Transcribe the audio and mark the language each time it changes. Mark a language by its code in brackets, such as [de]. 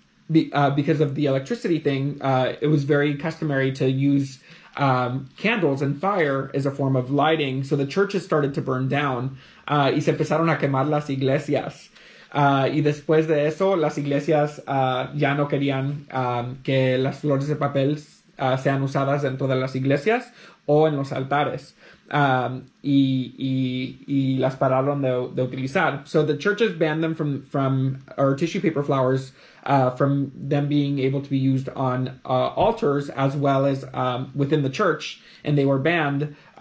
[en] Because of the electricity thing, it was very customary to use candles and fire as a form of lighting. So the churches started to burn down. [es] Y se empezaron a quemar las iglesias. Y después de eso, las iglesias ya no querían que las flores de papel sean usadas dentro de las iglesias o en los altares. Y las pararon de utilizar. [en] So the churches banned them from or tissue paper flowers from them being able to be used on altars as well as within the church, and they were banned.